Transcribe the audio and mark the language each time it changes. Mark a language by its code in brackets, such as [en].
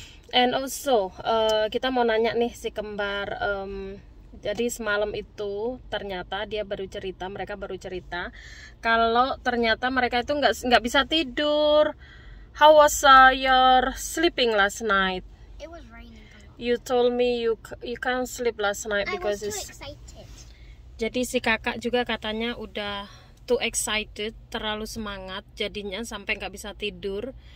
[en] And also [id] kita mau nanya nih si kembar. Jadi semalam itu ternyata dia baru cerita, mereka baru cerita kalau ternyata mereka itu nggak bisa tidur. [en] How was your sleeping last night? It was raining. You told me you can't sleep last night because I was too excited. [id] Jadi si kakak juga katanya udah [en] too excited, [id] terlalu semangat, jadinya sampai nggak bisa tidur.